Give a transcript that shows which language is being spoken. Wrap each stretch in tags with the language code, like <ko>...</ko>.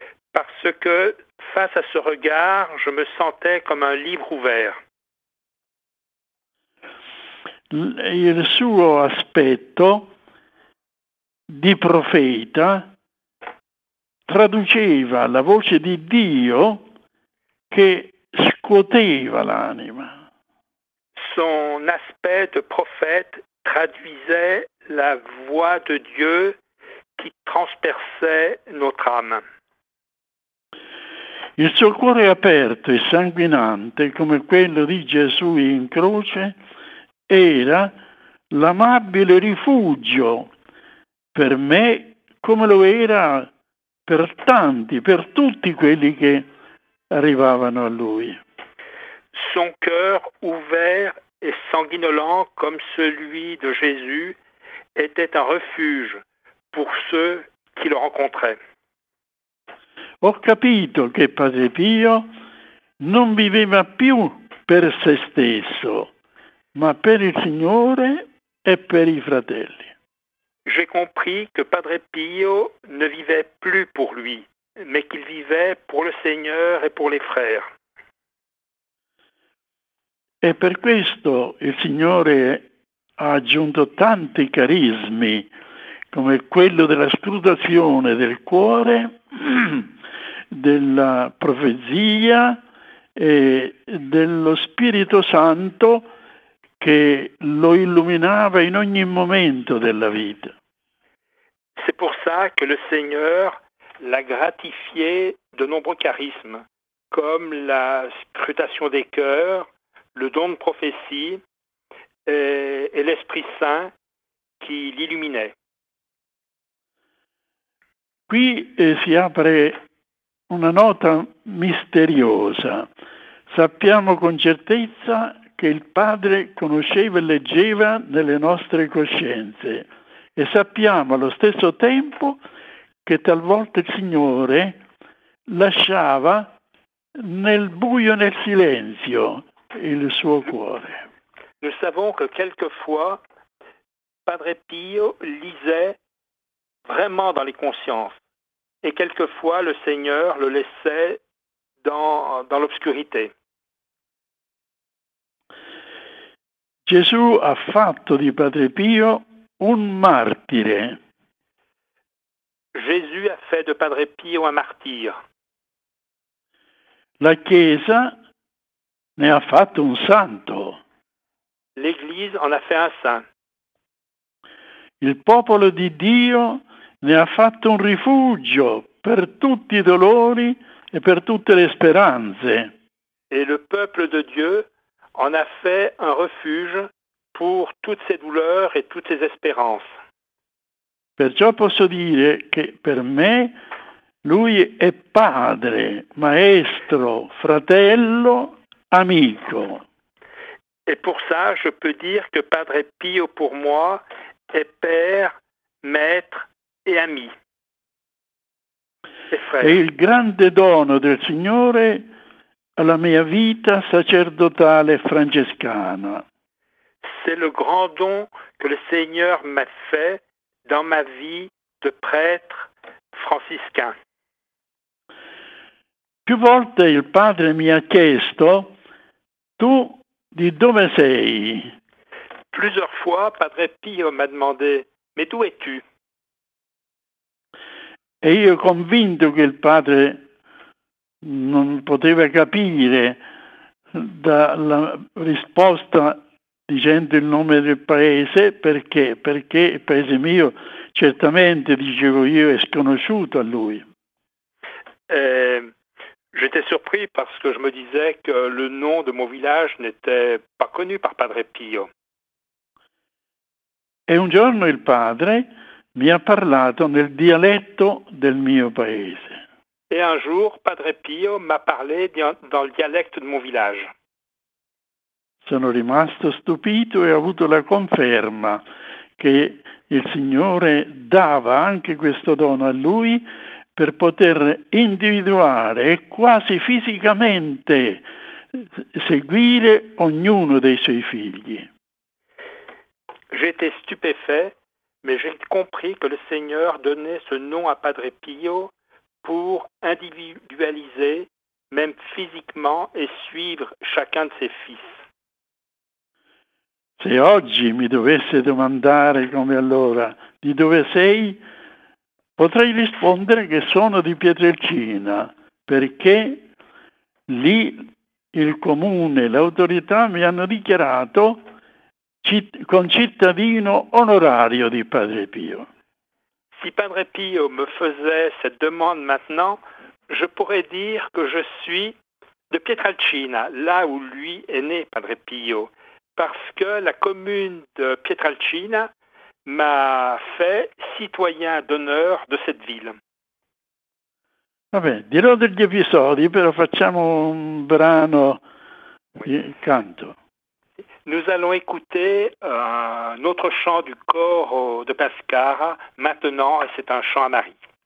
<fr>Parce que face à ce regard, je me sentais comme un livre ouvert.</fr> <it>Il suo aspetto di profeta traduceva la voce di Dio che scuoteva l'anima.</it> <fr>Son aspect de prophète traduisait la voix de Dieu qui transperçait notre âme.</fr> <it>Il suo cuore aperto e sanguinante come quello di Gesù in croce era l'amabile rifugio per me, come lo era per tanti, per tutti quelli che arrivavano a lui.</it> <fr>Son cœur ouvert et sanguinolent comme celui de Jésus était un refuge pour ceux qui le rencontraient.</fr> <it>Ho capito che Padre Pio non viveva più per se stesso, ma per il Signore e per i fratelli.</it> <fr>J'ai compris que Padre Pio ne vivait plus pour lui, mais qu'il vivait pour le Seigneur et pour les frères.</fr> <it>E per questo il Signore ha aggiunto tanti carismi, come quello della scrutazione del cuore, della profezia e dello Spirito Santo che lo illuminava in ogni momento della vita.</it> <fr>C'est pour ça que le Seigneur l'a gratifié de nombreux charismes, comme la scrutation des cœurs, le don de prophétie et l'Esprit Saint qui l'illuminait.</fr> <it>Qui si apre una nota misteriosa. Sappiamo con certezza che il Padre conosceva e leggeva nelle nostre coscienze e sappiamo allo stesso tempo che talvolta il Signore lasciava nel buio e nel silenzio il suo cuore.</it> <fr>Nous savons que quelquefois Padre Pio lisait vraiment dans les consciences et quelquefois le Seigneur le laissait dans l'obscurité.</fr> <it>Gesù ha fatto di Padre Pio un martire.</it> <fr>Jésus a fait de Padre Pio un martyr.</fr> <it>La Chiesa ne ha fatto un santo.</it> <fr>L'Église en a fait un saint.</fr> <it>Il popolo di Dio ne ha fatto un rifugio per tutti i dolori e per tutte le speranze.</it> <fr>Et le peuple de Dieu en a fait un refuge pour toutes ses douleurs et toutes ses espérances.</fr> <it>Perciò posso dire che per me lui è padre, maestro, fratello, amico.</it> <fr>Et pour ça, je peux dire que Padre Pio pour moi est père, maître et ami.</fr> <it>E il grande dono del Signore alla mia vita sacerdotale francescana.</it> <fr>C'est le grand don que le Seigneur m'a fait dans ma vie de prêtre franciscain.</fr> <it>Più volte il Padre mi ha chiesto: tu di dove sei?</it> <fr>Plusieurs fois, Padre Pio m'a demandé: mais d'où es-tu?</fr> <it>E io convinto che il Padre non poteva capire dalla risposta dicendo il nome del paese, perché? Perché il paese mio, certamente, dicevo io, è sconosciuto a lui.</it> <fr>J'étais surpris parce que je me disais que le nom de mon village n'était pas connu par Padre Pio. Et</fr> <it>un giorno il padre mi ha parlato nel dialetto del mio paese.</it> <fr>Et un jour Padre Pio m'a parlé dans le dialecte de mon village.</fr> <it>Sono rimasto stupito e ho avuto la conferma che il Signore dava anche questo dono a lui per poter individuare e quasi fisicamente seguire ognuno dei suoi figli.</it> <fr>J'étais stupéfait mais j'ai compris que le Seigneur donnait ce nom à Padre Pio pour individualiser, même physiquement, et suivre chacun de ses fils.</fr> <it>Se oggi mi dovesse domandare come allora, di dove sei, potrei rispondere che sono di Pietrelcina, perché lì il comune, l'autorità mi hanno dichiarato concittadino onorario di Padre Pio.</it> <fr>Si Padre Pio me faisait cette demande maintenant, je pourrais dire que je suis de Pietrelcina, là où lui est né Padre Pio, parce que la commune de Pietrelcina m'a fait citoyen d'honneur de cette ville.</fr> <it>Vabbè, dirò degli episodi, però facciamo un brano di canto.</it> <fr>Nous allons écouter un autre chant du coro de Pescara maintenant, et c'est un chant à Marie.</fr>